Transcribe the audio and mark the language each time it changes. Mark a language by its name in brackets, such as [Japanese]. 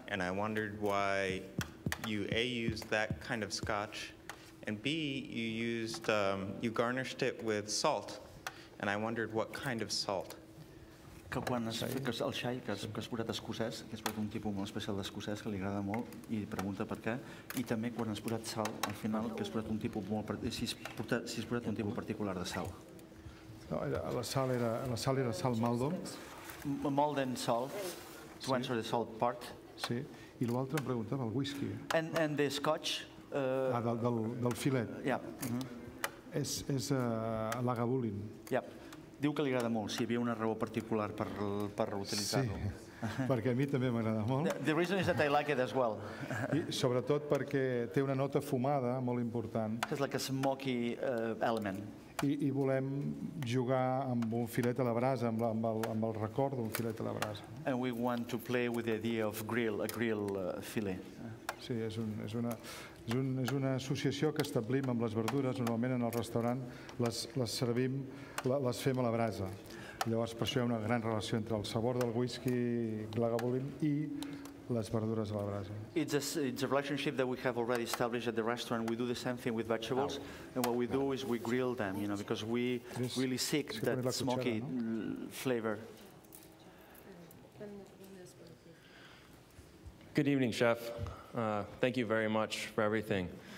[English] And I wondered why you A, used that kind of scotch, and B, you used, you garnished it with salt. And I wondered what kind of salt. [Catalan] Que quan es fica el xai, que has posat escocès, que és un tipus molt especial d'escocès que li agrada molt I pregunta per què, I també quan has posat sal, al final, que has posat un tipus molt, si has posat un tipus particular de sal. No, la sal era sal maldo. [English] Molten salt, to answer the salt part. [Catalan] Sí, I l'altre em preguntava el whisky. [English] And the scotch. [Catalan] Del filet. [English] Yeah. Mm-hmm. [Catalan] És Lagavulin. [English] Yeah. [Catalan] Diu que li agrada molt, si hi havia una raó particular per utilitzar-ho. Sí, perquè a mi també m'agrada molt. [English] The reason is that I like it as well. [Catalan] I sobretot perquè té una nota fumada molt important. [English] It's like a smoky element. [Catalan] I volem jugar amb un filet a la brasa, amb el record d'un filet a la brasa. [English] And we want to play with the idea of grill, a grill filet. [Catalan] Sí, és una associació que establim amb les verdures. Normalment en el restaurant les servim, les fem a la brasa. Llavors, per això hi ha una gran relació entre el sabor del whisky Lagavulin I les verdures a la brasa. [English] It's a relationship that we have already established at the restaurant. We do the same thing with vegetables, and what we do is we grill them, you know, because we really seek that smoky flavor. Good evening, chef. Thank you very much for everything.